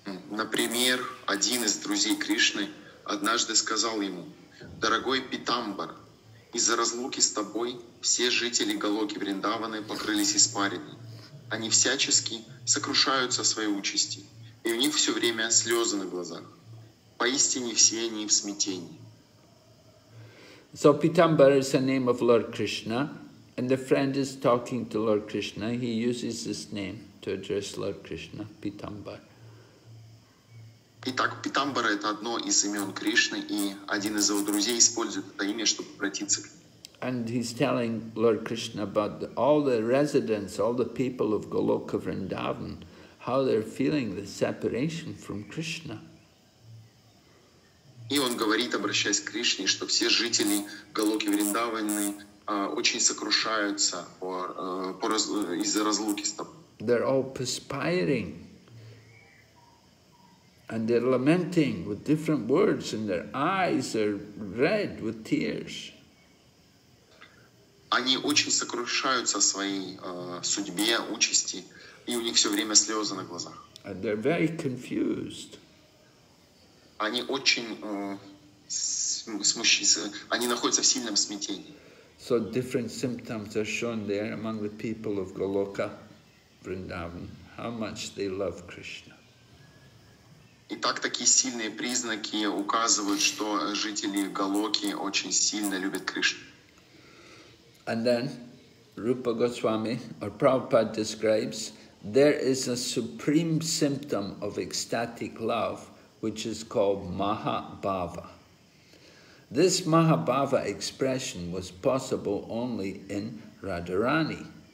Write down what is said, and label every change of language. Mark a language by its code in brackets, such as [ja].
[ru] Например, один из друзей Кришны однажды сказал ему, «Дорогой Питамбар, из-за разлуки с тобой все жители Голоки Вриндаваны покрылись испариной. Они всячески сокрушаются о своей участи, и у них все время слезы на глазах. Поистине все они в смятении». [en] So, Питамбар is the name of Lord Krishna. And the friend is talking to Lord Krishna. He uses this name to address Lord Krishna, Pitambar. [ru] Итак, Питамбар это одно из имен Кришны, и один из его друзей использует это имя, чтобы обратиться к нему. [en] And he's telling Lord Krishna about all the residents, all the people of Goloka Vrindavan, how they're feeling the separation from Krishna. [ru] И он говорит, обращаясь к Кришне, что все жители Голоки Вриндаваны очень сокрушаются из-за разлуки с тобой. [en] They're all perspiring, and they're lamenting with different words, and their eyes are red with tears. [ru] Они очень сокрушаются о своей судьбе, участи, и у них все время слезы на глазах. [en] And they're very confused. [ru] Они очень смущены, они находятся в сильном смятении. [en] So different symptoms are shown there among the people of Goloka Vrindavan, how much they love Krishna. [ru] Итак, такие сильные признаки указывают, что жители Голоки очень сильно любят Кришну. [en] And then Rupa Goswami or Prabhupada describes there is a supreme symptom of ecstatic love which is called Mahabhava. This Mahabhava expression was possible only in Radharani.